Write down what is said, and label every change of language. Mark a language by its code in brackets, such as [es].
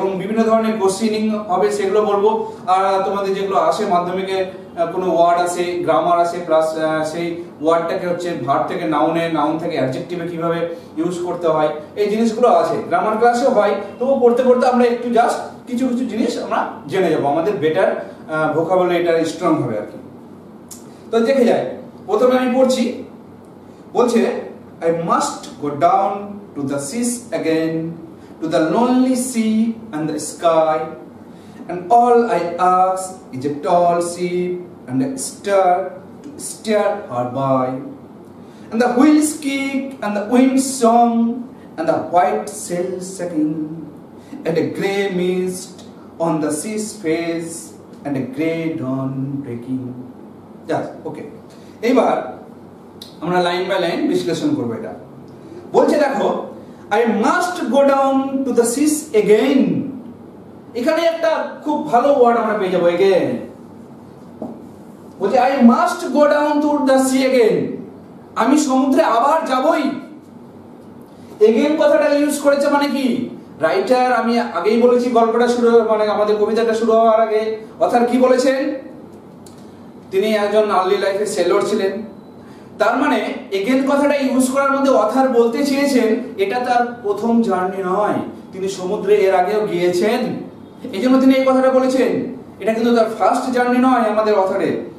[bn] এবং বিভিন্ন ধরনের কোশ্চেনিং হবে সেগুলো বলবো, আর তোমাদের যেগুলো আসে মাধ্যমিকে কোনো ওয়ার্ড আসে, গ্রামার আসে, প্লাস সেই ওয়ার্ডটাকে হচ্ছে ভার্ব থেকে নাউনে, নাউন থেকে অ্যাডজেক্টিভে কিভাবে ইউজ করতে হয় এই জিনিসগুলো আছে, গ্রামার ক্লাসেও হয়। তবু পড়তে পড়তে আমরা একটু জাস্ট কিছু কিছু জিনিস আমরা জেনে যাবো, আমাদের বেটার ভোকাবুলারিটা স্ট্রং হবে আর কি। তো দেখে যাই প্রথমে আমি পড়ছি, বলছে [en] I must go down to the seas again, to the lonely sea and the sky, and all I ask is a tall ship and a star to steer her by, and the wheels kick and the wind's song and the white sails setting, and a grey mist on the sea's face and a grey dawn breaking. Yes, okay. [bn] এইবার আমরা line by line বিশ্লেষণ করবো। এটা বলছে দেখো [en] I must go down to the seas again. [bn] এখানে একটা খুব ভালো ওয়ার্ড আমরা পেয়ে যাবো again. বলছে [en] I must go down to the sea again. [bn] আমি সমুদ্রে আবার যাবই। Again কথাটা ইউজ করেছে মানে কি? রাইটার আমি আগেই বলেছি গল্পটা শুরু হওয়ার মানে আমাদের কবিতাটা শুরু হওয়ার আগে অথার কি বলেছেন? তিনি একজন আর্লি লাইফের সেলর ছিলেন। তার মানে এগেন কথাটা ইউজ করার মধ্যে অথার বলতে চেয়েছেন এটা তার প্রথম জার্নি নয়, তিনি সমুদ্রে এর আগেও গিয়েছেন, এই জন্য তিনি এই কথাটা বলেছেন, এটা কিন্তু তার ফার্স্ট জার্নি নয় আমাদের অথারে।